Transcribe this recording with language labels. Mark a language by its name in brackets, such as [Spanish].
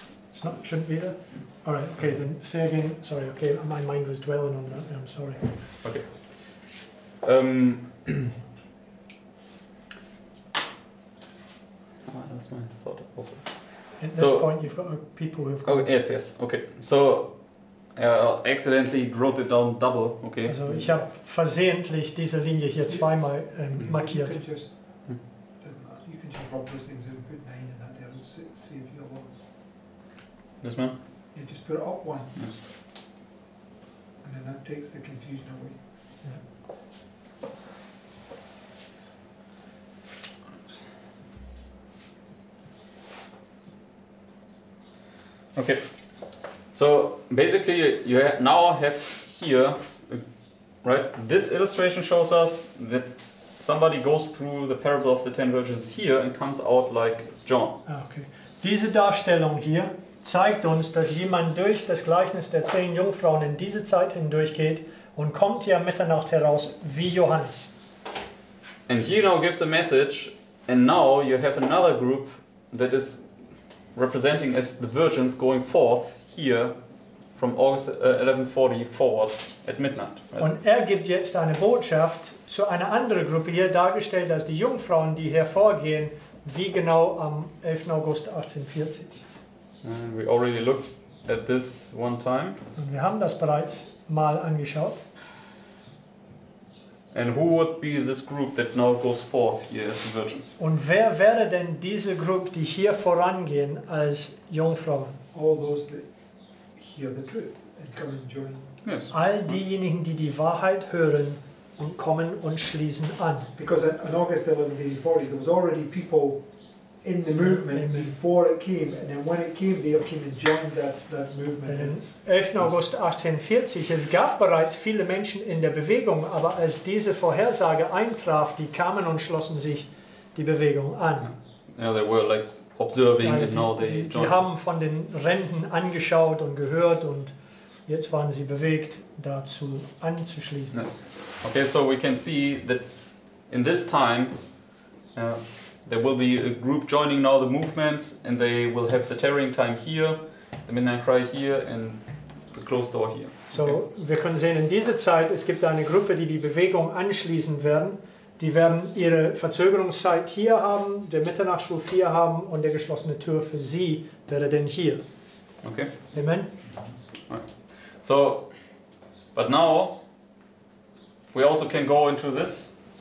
[English] it's not, shouldn't be there. All right. Okay. Then say again. Sorry. Okay. My mind was dwelling on that. I'm sorry. Okay. I lost my thought also. At this point, you've got people who've got. Oh yes. Yes. Okay. So. Accidentally wrote it down double, okay. [German] Also ich habe versehentlich diese Linie hier zweimal markiert. [English] You can just rub those things in and put nine in that there and save your loss. This man? You just put it up one. Yes. And then that takes the confusion away. Yeah. Okay. So basically, you now have here, right? This illustration shows us that somebody goes through the parable of the ten virgins here and comes out like John. Okay. [German] Diese Darstellung hier zeigt uns, dass jemand durch das Gleichnis der zehn Jungfrauen in diese Zeit hindurchgeht und kommt hier Mitternacht heraus wie Johannes. [English] And he now gives a message, and now you have another group that is representing as the virgins going forth. Here, from August 1140 forward at midnight. Right? [German] Und gibt jetzt eine Botschaft zu einer anderen Gruppe hier dargestellt, dass die Jungfrauen, die hervorgehen, wie genau am 11. August 1840. [English] And we already looked at this one time. [German] Und wir haben das bereits mal angeschaut. [English] And who would be this group that now goes forth here as the virgins? [German] Und wer wäre denn diese Gruppe, die hier vorangehen als Jungfrauen? [English] All those that hear the truth and come and join. Yes. [German] All diejenigen, die die Wahrheit hören und kommen und schließen an. [English] Because on August 11, 1840, there was already people in the movement before it came, and then when it came, they came and joined that movement. [German] Am 11. August 1840, es gab bereits viele Menschen in der Bewegung, aber als diese Vorhersage eintraf, die kamen und schlossen sich die Bewegung an. [English] Yeah, they were like observing and now they joined. [German] Die haben von den Renten angeschaut und gehört und jetzt waren sie bewegt, dazu anzuschließen. [English] Yes. Okay, so we can see that in this time, there will be a group joining now the movement and they will have the tarrying time here, the midnight cry here and the closed door here. So, okay. [German] Wir können sehen, in dieser Zeit, es gibt eine Gruppe, die die Bewegung anschließen werden. Die werden ihre Verzögerungszeit hier haben, der Mitternachtsruf hier haben und der geschlossene Tür für sie wäre denn hier. [English] Okay. Amen. Right. So, but now, we also can go into this